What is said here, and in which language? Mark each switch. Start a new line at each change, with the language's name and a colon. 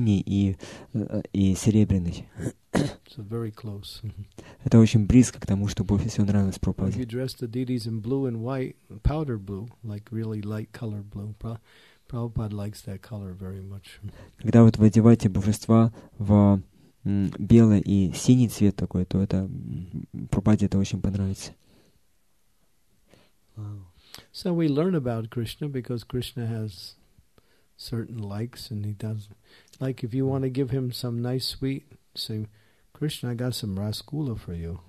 Russian: Здесь светло-синий и серебряный.
English: So very close.
Russian: Это очень близко к тому, что больше всего нравилось проповеди.
English: If you dress the deities in blue and white, powder blue, like really light color blue, Prabhupada likes that color very much.
Russian: Когда вот вы одеваете божества в белый и синий цвет такой, то это Прабхупаде это очень понравится.
English: So we learn about Krishna because Krishna has certain likes and he does. Like if you want to give him some nice sweet, say, Krishna, I got some rasgulla for you.